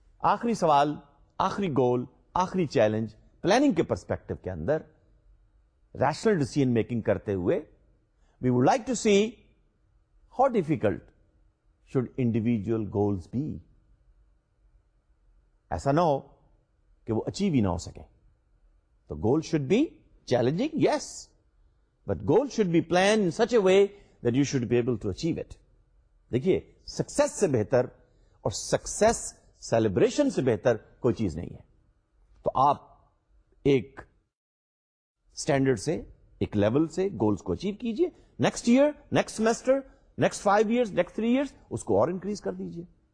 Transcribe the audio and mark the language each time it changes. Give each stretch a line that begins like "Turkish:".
Urdu: آخری سوال, آخری گول, آخری چیلنج پلاننگ کے پرسپیکٹو کے اندر ریشنل ڈیسیژن میکنگ کرتے ہوئے,
English: we would like to see how difficult should individual goals be,
Urdu: ایسا نہ ہو کہ وہ اچیو ہی نہ ہو سکے.
English: تو goal should be challenging, yes, but goal should be plan in such a way that you should be able to achieve it.
Urdu: دیکھیے, success سے بہتر اور سکسیس سیلیبریشن سے بہتر کوئی چیز نہیں ہے. تو آپ ایک اسٹینڈرڈ سے, ایک لیول سے گولز کو اچیو کیجئے, next year, next semester, next 5 years, next 3 years, اس کو اور انکریز کر دیجئے.